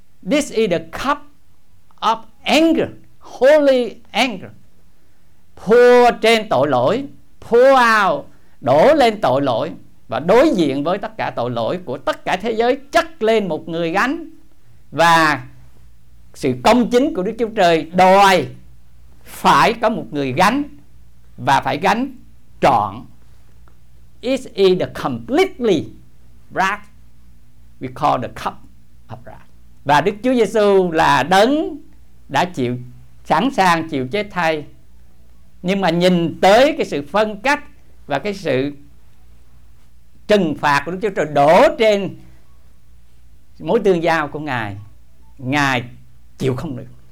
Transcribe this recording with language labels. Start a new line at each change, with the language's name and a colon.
English: This is the cup of anger, holy anger, pour
Vietnamese: trên tội lỗi,
English: pour out,
Vietnamese: đổ lên tội lỗi, và đối diện với tất cả tội lỗi của tất cả thế giới chất lên một người gánh. Và sự công chính của Đức Chúa Trời đòi phải có một người gánh, và phải gánh trọn.
English: It is the completely wrath, we call the cup of wrath.
Vietnamese: Và Đức Chúa Giêsu là đấng đã chịu, sẵn sàng chịu chết thay, nhưng mà nhìn tới cái sự phân cách và cái sự trừng phạt của Đức Chúa Trời đổ trên mối tương giao của Ngài, Ngài chịu không được.